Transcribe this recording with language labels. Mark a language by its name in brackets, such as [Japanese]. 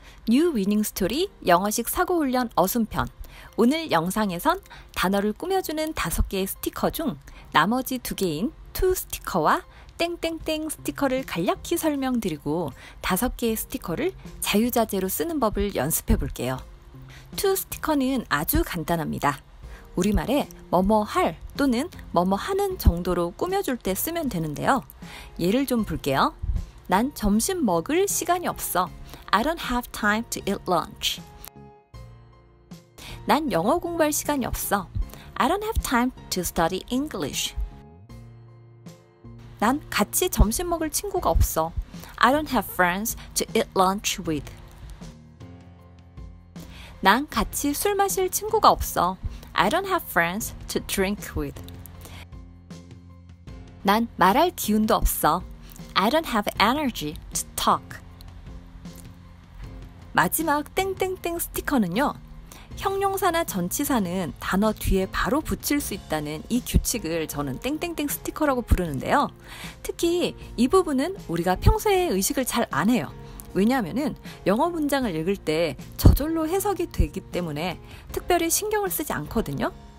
[Korean] 뉴 위닝 스토리 영어식 사고훈련 어순편. 오늘 영상에선 단어를 꾸며주는 다섯 개의 스티커 중 나머지 두 개인 투 스티커와 땡땡땡 스티커를 간략히 설명드리고 다섯 개의 스티커를 자유자재로 쓰는 법을 연습해 볼게요. 투 스티커는 아주 간단합니다. 우리말에 뭐뭐 할 또는 뭐뭐 하는 정도로 꾸며줄 때 쓰면 되는데요. 예를 좀 볼게요. 난 점심 먹을 시간이 없어. [English] I don't have time to eat lunch. [Korean] 난 영어 공부할 시간이 없어. [English] I don't have time to study English. [Korean] 난 같이 점심 먹을 친구가 없어. [English] I don't have friends to eat lunch with. [Korean] 난 같이 술 마실 친구가 없어. [English] I don't have friends to drink with. [Korean] 난 말할 기운도 없어. [English] I don't have energy to talk. [Korean] 마지막 땡땡땡 스티커는요. 형용사나 전치사는 단어 뒤에 바로 붙일 수 있다는 이 규칙을 저는 땡땡땡 스티커라고 부르는데요. 특히 이 부분은 우리가 평소에 의식을 잘 안 해요. 왜냐하면 영어 문장을 읽을 때 저절로 해석이 되기 때문에 특별히 신경을 쓰지 않거든요.